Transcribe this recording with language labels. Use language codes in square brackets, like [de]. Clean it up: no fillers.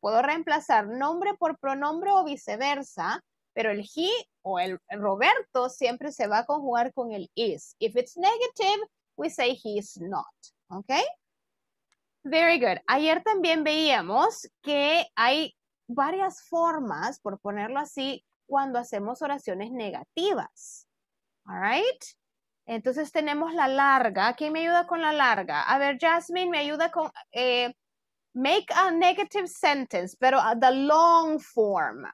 [es] Puedo reemplazar nombre por pronombre o viceversa, pero el he o el Roberto siempre se va a conjugar con el is. [en] If it's negative, we say he is not. Okay? Very good. [es] Ayer también veíamos que hay varias formas, por ponerlo así, cuando hacemos oraciones negativas. [en] All right. [es] Entonces tenemos la larga. ¿Quién me ayuda con la larga? A ver, Jasmine, me ayuda con [en] make a negative sentence, [es] pero [en] the long form.